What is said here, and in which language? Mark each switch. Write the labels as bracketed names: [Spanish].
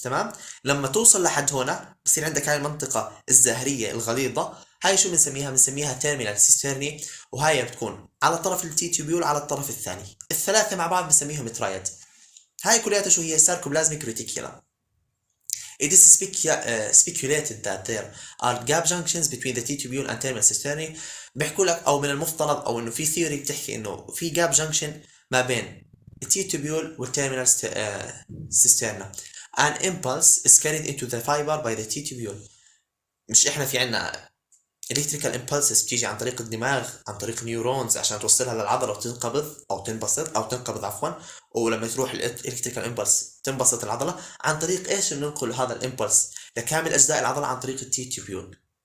[Arabic] تمام، لما توصل لحد هنا بصير عندك هاي المنطقه الزهريه الغليظه، هاي شو بنسميها؟ بنسميها تيرمينال سيسترني، وهاي بتكون على طرف التي تيبيول على الطرف الثاني. الثلاثه مع بعض بنسميهم ترايد. هاي كلياتها شو هي؟ ساركو بلازميك ريتيكولم. [English] It is speculated that there are gap junctions between the T-tubule and terminal cisternae. [Arabic] بيحكوا لك أو من المفترض أو إنه في theory بتحكي إنه في gap junction ما بين T-tubule والterminal cisterna. [English] An impulse is carried into the fiber by the T-tubule. [Arabic] مش إحنا في عنا الكتريكال امبلسز بتيجي عن طريق الدماغ عن طريق نيورونز عشان توصلها للعضله وتنقبض او تنبسط او تنقبض عفوا، ولما تروح الكتريكال امبلس تنبسط العضله عن طريق ايش؟ ننقل هذا الامبلس لكامل اجزاء العضله عن طريق التي تيوبيول.